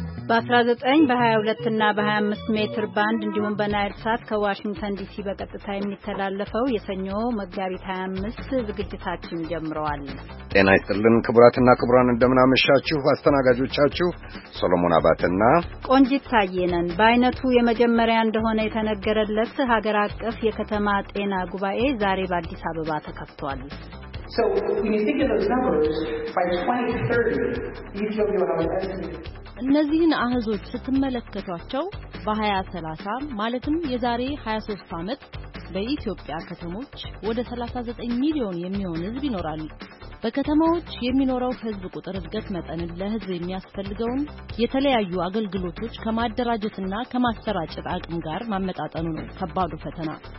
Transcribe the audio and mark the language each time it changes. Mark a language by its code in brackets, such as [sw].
[am] በ19 በ22 እና በ25 ሜትር ባንድ እንዲሁም በናይል ሳት ከዋሽንግተን ዲሲ በቀጥታ የሚተላለፈው የሰኞ መጋቢት 25 ዝግጅታችን ጀምረዋል። ጤና ይስጥልን ክቡራትና ክቡራን፣ እንደምናመሻችሁ። አስተናጋጆቻችሁ ሰሎሞን አባተና ቆንጂት ታዬ ነን። በአይነቱ የመጀመሪያ እንደሆነ የተነገረለት ሀገር አቀፍ የከተማ ጤና ጉባኤ ዛሬ በአዲስ አበባ ተከፍቷል። [en] So when you think of those numbers, by 2030, each of you have an estimate. [am] እነዚህን አህዞች ስትመለከቷቸው በ2030 ማለትም የዛሬ 23 ዓመት በኢትዮጵያ ከተሞች ወደ 39 ሚሊዮን የሚሆን ህዝብ ይኖራል። በከተማዎች የሚኖረው ህዝብ ቁጥር እድገት መጠን ለህዝብ የሚያስፈልገውን የተለያዩ አገልግሎቶች ከማደራጀትና ከማሰራጨት አቅም ጋር ማመጣጠኑ ነው ከባዱ ፈተና።